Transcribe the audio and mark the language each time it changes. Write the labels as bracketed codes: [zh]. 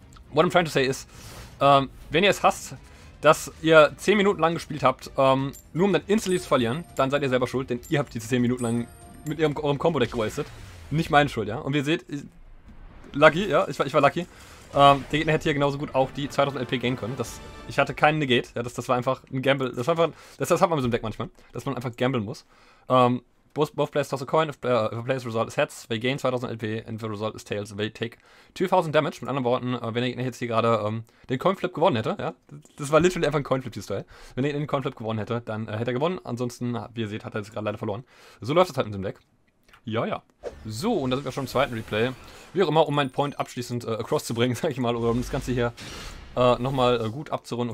[en] What I'm trying to say [de] ist, wenn ihr es hasst, dass ihr 10 Minuten lang gespielt habt, nur um dann [en] instantly [de] zu verlieren, dann seid ihr selber schuld, denn ihr habt diese 10 Minuten lang mit eurem Combo-Deck gewastet. Nicht meine Schuld, ja. Und wie ihr seht, ich war lucky. Der Gegner hätte hier genauso gut auch die 2000 LP gain können. Ich hatte keinen Negate, ja, das war einfach ein Gamble. Das hat man mit so einem Deck manchmal, dass man einfach gamblen muss. [en] Both players toss a coin. If a player's result is heads, they gain 2000 LP. And if the result is tails, they take 2000 damage. [de] Mit anderen Worten, wenn der Gegner jetzt hier gerade den Coinflip gewonnen hätte, ja, das war [en] literally [de] einfach ein Coinflip, die Style. Wenn er den Coinflip gewonnen hätte, dann hätte er gewonnen. Ansonsten, wie ihr seht, hat er jetzt gerade leider verloren. So läuft es halt mit dem Deck. Ja, ja. So, und da sind wir schon im zweiten Replay. Wie auch immer, um meinen Point abschließend across zu bringen, sag ich mal, oder um das Ganze hier nochmal gut abzurunden.